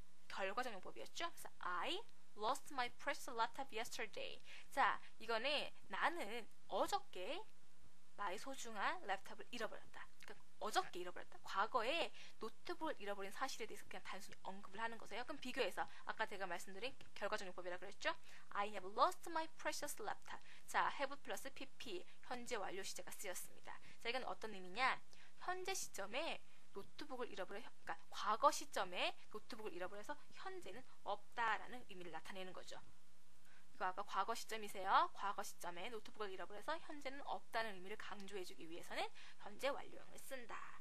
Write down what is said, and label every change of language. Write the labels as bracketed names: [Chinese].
[Korean] 결과적 용법이었죠? 그래서 [English] I lost my precious laptop yesterday. [Korean] 자, 이거는 나는 어저께 나의 소중한 랩탑을 잃어버렸다. 그러니까 어저께 잃어버렸다. 과거에 노트북을 잃어버린 사실에 대해서 그냥 단순히 언급을 하는 거세요. 그럼 비교해서 아까 제가 말씀드린 결과적 용법이라고 그랬죠? [English] I have lost my precious laptop. [Korean] 자, have 플러스 pp, 현재 완료 시제가 쓰였습니다. 자, 이건 어떤 의미냐? 현재 시점에 노트북을 잃어버려, 그러니까 과거 시점에 노트북을 잃어버려서 현재는 없다라는 의미를 나타내는 거죠. 이거 아까 과거 시점이세요. 과거 시점에 노트북을 잃어버려서 현재는 없다는 의미를 강조해주기 위해서는 현재 완료형을 쓴다.